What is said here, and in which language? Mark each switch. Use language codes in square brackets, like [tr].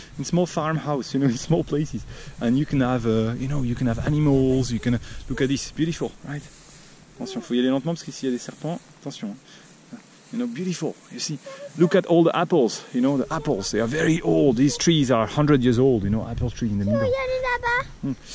[en] In small farmhouse, you know, in small places, and you can have, you know, you can have animals. You can look at this, beautiful, right? [fr] Attention, faut y aller lentement parce qu'ici il y a des serpents. [en] Attention. You know, beautiful. You see, look at all the apples. You know, the apples, they are very old. These trees are 100 years old. You know, apple tree in the middle.